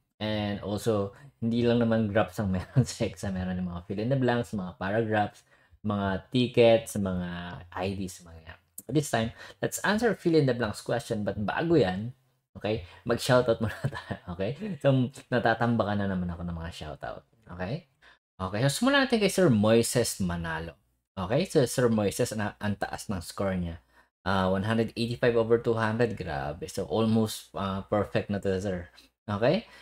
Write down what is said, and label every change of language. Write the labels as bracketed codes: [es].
[tl] And also, hindi lang naman graphs ang meron sa exam. Meron yung mga fill in the blanks, mga paragraphs, mga tickets, mga IDs, mga yan. [en] But this time, let's answer fill in the blanks question. [tl] But bago yan, okay? Mag-shoutout muna tayo, okay? So natatambakan na naman ako ng mga shoutout, okay? Okay, so sumula natin kay Sir Moises Manalo. Okay, so Sir Moises, na ang taas ng score niya. 185 over 200, grabe. So almost perfect na to, sir. Okay?